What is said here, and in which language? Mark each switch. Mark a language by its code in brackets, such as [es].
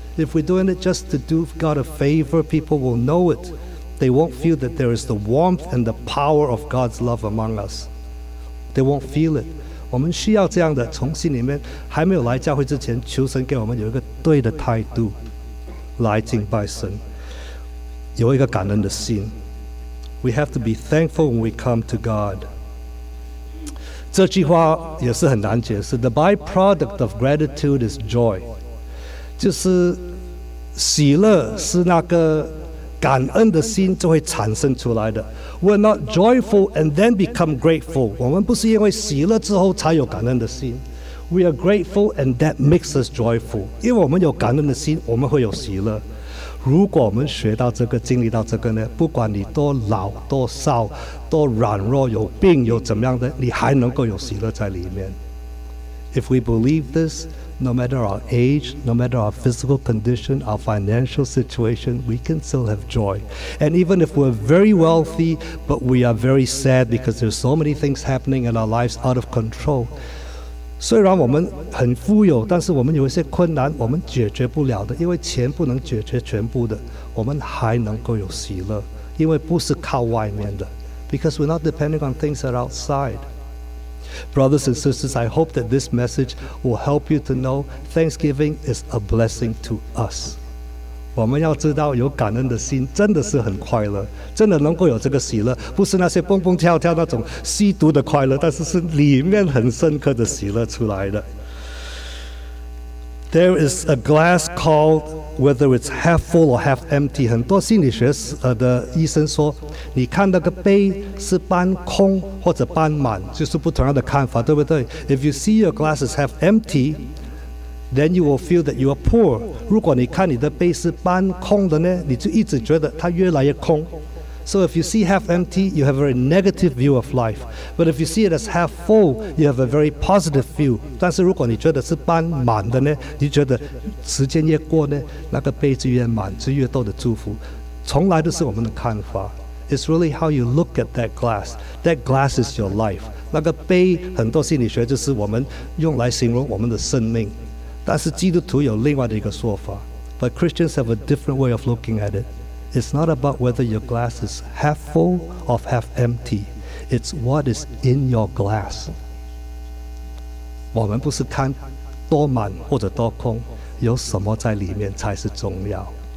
[en] If we're doing it just to do God a favor, people will know it. They won't feel that there is the warmth and the power of God's love among us. They won't feel it. [zh] 我们需要这样的，从心里面还没有来教会之前，求神给我们有一个对的态度来敬拜神，有一个感恩的心。 [en] We have to be thankful when we come to God. [zh] 这句话也是很难解释。 [en] The byproduct of gratitude is joy. [zh] 就是 喜乐是那个感恩的心就会产生出来的。 [en] We're not joyful and then become grateful. [zh] 我们不是因为喜乐之后才有感恩的心。 [en] We are grateful and that makes us joyful. [zh] 因为我们有感恩的心，我们会有喜乐。如果我们学到这个，经历到这个呢， 不管你多老多少，多软弱，有病，有怎么样的， 你还能够有喜乐在里面。 [en] If we believe this, no matter our age, no matter our physical condition, our financial situation, we can still have joy. And even if we're very wealthy, but we are very sad because there's so many things happening in our lives out of control. [zh] 虽然我们很富有，但是我们有一些困难，我们解决不了的，因为钱不能解决全部的，我们还能够有喜乐。因为不是靠外面的。 [en] Because we're not depending on things that are outside. Brothers and sisters, I hope that this message will help you to know Thanksgiving is a blessing to us. [zh] 我们要知道有感恩的心真的是很快乐，真的能够有这个喜乐，不是那些蹦蹦跳跳那种吸毒的快乐，但是是里面很深刻的喜乐出来的。 [en] There is a glass called whether it's half full or half empty. [zh] 很多心理学的医生说，你看那个杯是半空或者半满，就是不同样的看法，对不对？ [en] If you see your glass is half empty, then you will feel that you are poor. [zh] 如果你看你的杯是半空的呢，你就一直觉得它越来越空。 [en] So if you see half empty, you have a very negative view of life. But if you see it as half full, you have a very positive view. [zh] 但是如果你觉得是半满的呢，你觉得时间越过呢，那个杯子越满，就越多的祝福。从来都是我们的看法。 [en] It's really how you look at that glass. That glass is your life. [zh] 那个杯很多心理学就是我们用来形容我们的生命。但是基督徒有另外的一个说法。 [en] But Christians have a different way of looking at it. It's not about whether your glass is half full or half empty. It's what is in your glass. [zh] 我们不是看多满或者多空，有什么在里面才是重要。